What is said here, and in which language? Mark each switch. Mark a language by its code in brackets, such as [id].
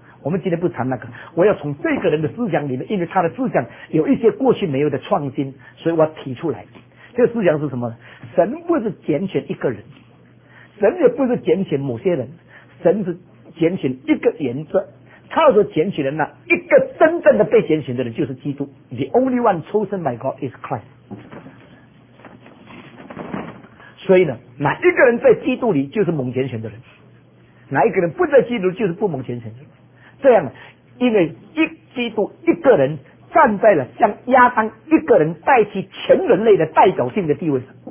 [zh] 我们今天不谈那个，我要从这个人的思想里面，因为他的思想有一些过去没有的创新，所以我提出来。这个思想是什么？神不是拣选一个人，神也不是拣选某些人，神是拣选一个原则。他所拣选的那一个真正的被拣选的人就是基督。 [en] The only one chosen by God is Christ。 [zh] 所以呢，哪一个人在基督里就是蒙拣选的人，哪一个人不在基督就是不蒙拣选的人。这样，因为一基督一个人站在了像亚当一个人代替全人类的代表性的地位上。